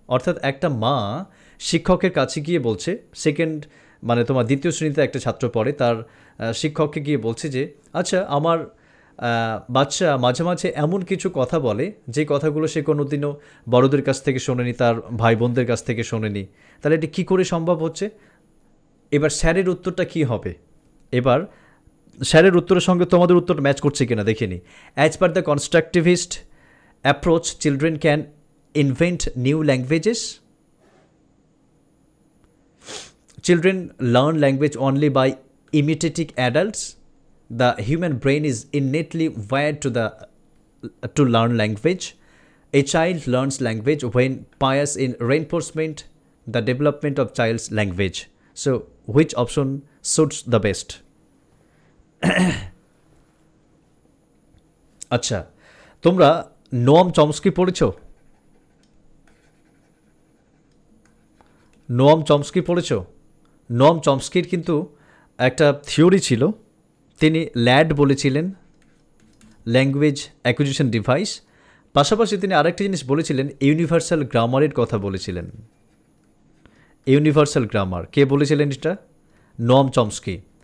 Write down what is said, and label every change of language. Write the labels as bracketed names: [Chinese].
[Bangla] অর্থাৎ একটা মা শিক্ষকের কাছে গিয়ে বলছে, সেকেন্ড মানে তোমার দ্বিতীয় শ্রেণীতে একটা ছাত্র পড়ে, তার শিক্ষককে গিয়ে বলছে যে আচ্ছা আমার বাচ্চা মাঝে মাঝে এমন কিছু কথা বলে যে কথাগুলো সে কোনোদিনও বড়দের কাছ থেকে শোনেনি, তার ভাই বোনদের কাছ থেকে শোনেনি, তাহলে এটা কী করে সম্ভব হচ্ছে? এবার স্যারের উত্তরটা কী হবে? এবার স্যারের উত্তরের সঙ্গে তোমাদের উত্তর ম্যাচ করছে কিনা দেখে নি। [English] As per the constructivist approach, children can invent new languages, children learn language only by imitating adults, the human brain is innately wired to the to learn language, a child learns language when pairs in reinforcement the development of child's language, so which option suits the best? [Bangla] Acha tumra Noam Chomsky porecho, Noam Chomsky porecho, Noam Chomsky er kintu ekta theory chilo, তিনি lad বলেছিলেন, language acquisition device, পাশাপাশি তিনি আরেকটি জিনিস বলেছিলেন, universal গ্রামারের কথা বলেছিলেন, ইউনিভার্সাল গ্রামার। কে বলেছিলেন এটা? নোম চমস্কি।